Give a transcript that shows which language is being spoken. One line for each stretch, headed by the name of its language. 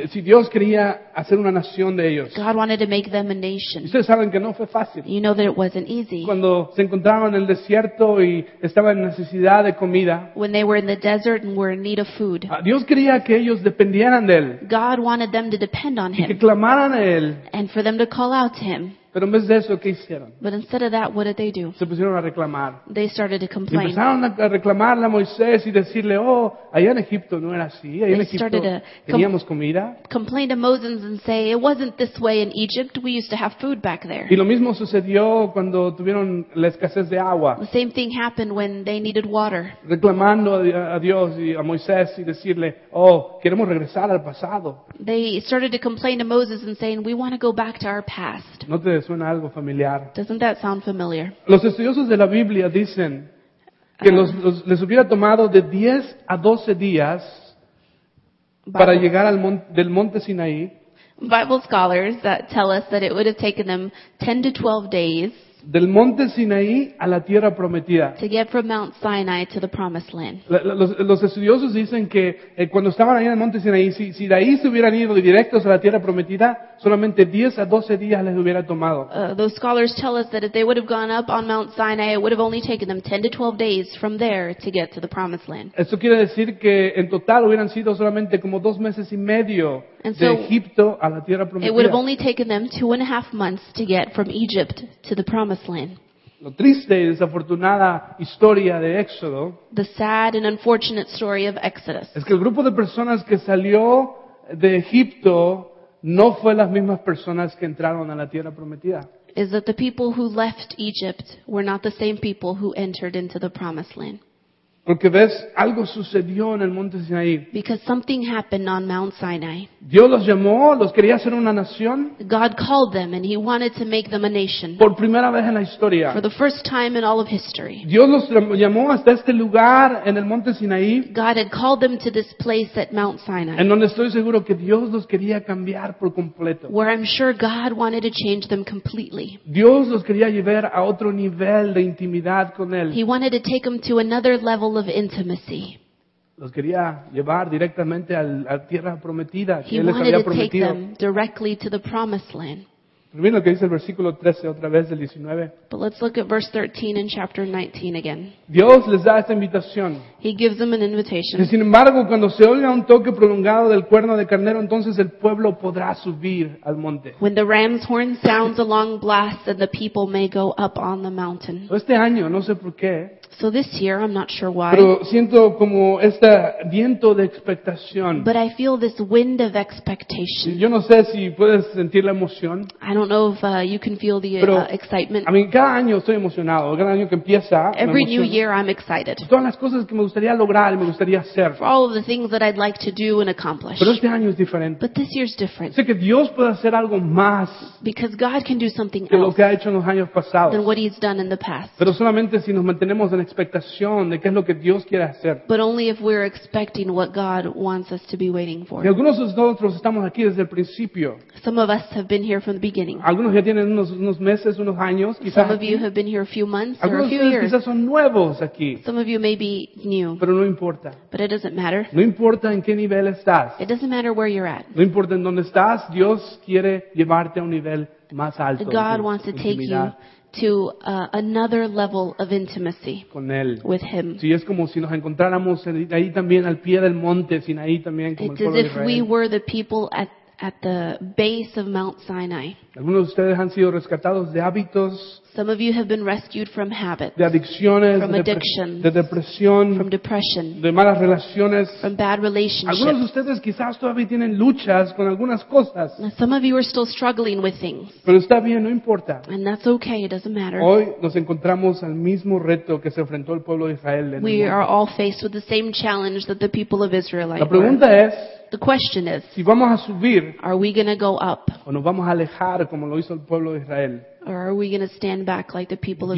Spanish: Si Dios quería hacer una nación de ellos.
English: God wanted to make them a nation.
Spanish: Ustedes saben que no fue fácil.
English: You know that it wasn't easy.
Spanish: Cuando se encontraban en el desierto y estaban en necesidad de comida.
English: When they were in the desert and were in need of food.
Spanish: Dios quería que ellos dependieran de Él.
English: God wanted them to depend on Him.
Spanish: Y que clamaran a Él.
English: And for them to call out to Him.
Spanish: Pero en vez de eso, ¿qué hicieron?
English: But instead of that, what did they do?
Spanish: Se pusieron a reclamar.
English: They started to complain.
Spanish: Y empezaron a reclamarle a Moisés y decirle, oh, allá en Egipto no era así. Allá
English: they
Spanish: en Egipto teníamos comida.
English: Complain to Moses and say, it wasn't this way in Egypt. We used to have food back there.
Spanish: Y lo mismo sucedió cuando tuvieron la escasez de agua.
English: The same thing happened when they needed water.
Spanish: Reclamando a Dios y a Moisés y decirle, oh, queremos regresar al pasado.
English: They started to complain to Moses and saying, we want to go back to our past.
Spanish: No te suena algo familiar.
English: Doesn't that sound familiar?
Spanish: Los estudiosos de la Biblia dicen que les hubiera tomado de 10 a 12 días para llegar del monte Sinaí.
English: Bible scholars that tell us that it would have taken them 10 to 12 days
Spanish: del monte Sinaí a la tierra prometida.
English: To get from Mount Sinai to the promised land.
Spanish: Los estudiosos dicen que cuando estaban ahí en el monte Sinaí, si de ahí se hubieran ido directos a la tierra prometida, solamente 10 a 12 días les hubiera tomado.
English: Those scholars tell us that if they would have gone up on Mount Sinai, it would have only taken them 10 to 12 days from there to get to the promised land.
Spanish: Eso quiere decir que en total hubieran sido solamente como 2 meses y medio.
English: And so,
Spanish: de Egipto a la tierra prometida.
English: It would have only taken them 2.5 months to get from Egypt to the promised land.
Spanish: Lo triste y desafortunada historia de Éxodo.
English: The sad and unfortunate story of Exodus.
Spanish: Es que el grupo de personas que salió de Egipto no fue las mismas personas que entraron a la tierra prometida.
English: Is that the people who left Egypt were not the same people who entered into the promised land.
Spanish: Porque ves, algo sucedió en el monte Sinaí.
English: Because something happened on Mount Sinai.
Spanish: Dios los llamó, los quería hacer una nación.
English: God called them and He wanted to make them a nation.
Spanish: Por primera vez en la historia.
English: For the first time in all of history.
Spanish: Dios los llamó hasta este lugar en el monte Sinaí.
English: God had called them to this place at Mount Sinai.
Spanish: En donde estoy seguro que Dios los quería cambiar por completo.
English: Where I'm sure God wanted to change them completely.
Spanish: Dios los quería llevar a otro nivel de intimidad con Él.
English: He wanted to take them to another level of intimacy.
Spanish: Los quería llevar directamente a tierra prometida, que
English: He
Spanish: les
English: wanted
Spanish: había
English: to
Spanish: prometido.
English: Take them directly to the promised land.
Spanish: Pero mira lo que dice el versículo 13 otra vez del 19.
English: But let's look at verse 13 in chapter 19 again.
Spanish: Dios les da esta invitación.
English: He gives them an invitation.
Spanish: Y sin embargo, cuando se oiga un toque prolongado del cuerno de carnero, entonces el pueblo podrá subir al monte.
English: When the ram's horn sounds a long blast, then the people may go up on the mountain.
Spanish: Este año, no sé por qué.
English: So this year, I'm not sure why.
Spanish: Pero siento como este viento de expectación.
English: But I feel this wind of expectation.
Spanish: Yo no sé si puedes sentir la emoción.
English: I don't know if you can feel the excitement. I mean,
Spanish: cada año estoy emocionado. Cada año que empieza,
English: every new year, I'm excited.
Spanish: Todas las cosas que me gustaría lograr y me gustaría hacer.
English: For all of the things that I'd like to do and accomplish.
Spanish: Pero este año es diferente.
English: But this year's different.
Spanish: Sé que Dios puede hacer algo más.
English: Because God can do something
Spanish: que Que lo que ha hecho en los años pasados.
English: Than what He's done in the past.
Spanish: Pero solamente si nos mantenemos en expectación de qué es lo que Dios quiere hacer.
English: But only if we're expecting what God wants us to be waiting for.
Spanish: Y algunos de nosotros estamos aquí desde el principio.
English: Some of us have been here from the beginning.
Spanish: Algunos ya tienen unos meses, unos años, quizás.
English: Some of you have been here a few months or a few years.
Spanish: Quizás son nuevos aquí.
English: Some of you may be new.
Spanish: Pero no importa.
English: But it doesn't matter.
Spanish: No importa en qué nivel estás.
English: It doesn't matter where you're at.
Spanish: No importa en dónde estás, Dios quiere llevarte a un nivel más alto.
English: God wants to take you to another level of intimacy
Spanish: con él.
English: With him.
Spanish: Sí, es como si nos encontráramos ahí también al pie del monte Sinaí también como
English: It's as if we were the people at the base of Mount Sinai.
Spanish: Algunos de ustedes han sido rescatados de hábitos.
English: Some of you have been rescued from habits.
Spanish: De adicciones,
English: from addictions,
Spanish: de depresión,
English: from depression,
Spanish: de malas relaciones,
English: from bad relationships.
Spanish: Algunos de ustedes quizás todavía tienen luchas con algunas cosas.
English: Some of you are still struggling with things.
Spanish: Pero está bien, no importa.
English: And that's okay, it doesn't matter.
Spanish: Hoy nos encontramos al mismo reto que se enfrentó el pueblo de Israel.
English: We are all faced with the same challenge that the people of Israel were.
Spanish: La pregunta es,
English: the question is,
Spanish: si vamos a subir,
English: are we going to go up?
Spanish: O nos vamos a alejar como lo hizo el pueblo de Israel?
English: Or are we going to stand back like the people of